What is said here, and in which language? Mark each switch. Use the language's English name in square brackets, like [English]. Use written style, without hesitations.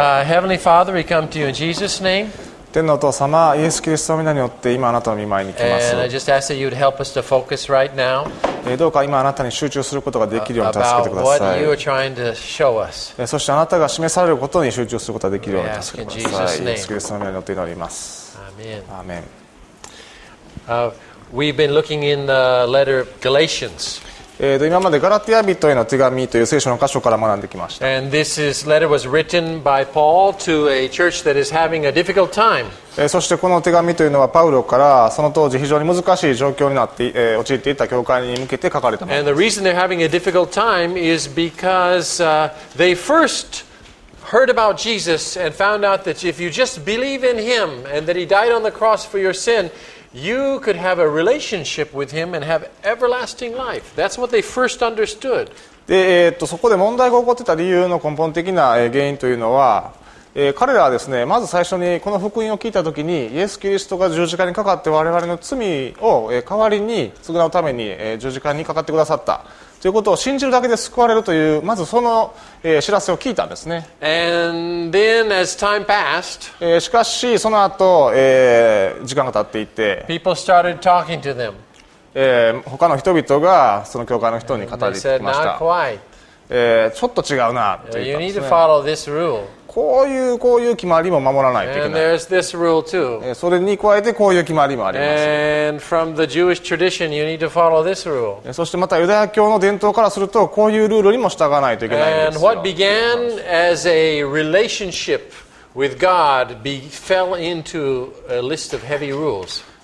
[English] Heavenly Father, we come to you in Jesus' name. [Japanese] 天のお父様、イエス・キリスト皆によって今あなたの御前に来ます。 [English] And I just ask that you would help us to focus right now. [Japanese] どうか今あなたに集中することができるように助けてください。 [English] About what you are trying to show us. [Japanese] そしてあなたが示されることに集中することができるように助けてください。イエス・キリスト皆によって祈ります。 [English] Amen. Amen. We've been looking in the letter of Galatians. [Japanese] 今までガラティア人への手紙という聖書の箇所から学んできました。 [English] And this is, letter was written by Paul to a church that is having a difficult time. [Japanese] そしてこの手紙というのはパウロからその当時非常に難しい状況になって、陥っていた教会に向けて書かれたものです。 [English] And the reason they're having a difficult time is because, they first heard about Jesus and found out that if you just believe in him and that he died on the cross for your sin,You could have a relationship with him and have everlasting life. That's what they first understood. [Japanese] で、そこで問題が起こっていた理由の根本的な原因というのは、彼らはですね、まず最初にこの福音を聞いたときに、イエス・キリストが十字架にかかって我々の罪を代わりに償うために十字架にかかってくださったということを信じるだけで救われるという、まずその知らせを聞いたんですね。 [English] And then as time passed, [Japanese] しかしその後、時間が経っていて、 [English] people started talking to them. [Japanese] 他の人々がその教会の人に語りました。 [English] Not quite. [Japanese] ちょっと違うなと言ったんですね。 [English] You need to follow this rule. [Japanese] こういう決まりも守らないといけない。 [English] And there's this rule too. [Japanese] それに加えてこういう決まりもあります。 [English] And from the Jewish tradition, you need to follow this rule. [Japanese] そしてまたユダヤ教の伝統からするとこういうルールにも従わないといけないんですよ。 [English] And what began as a relationship with God fell into a list of heavy rules.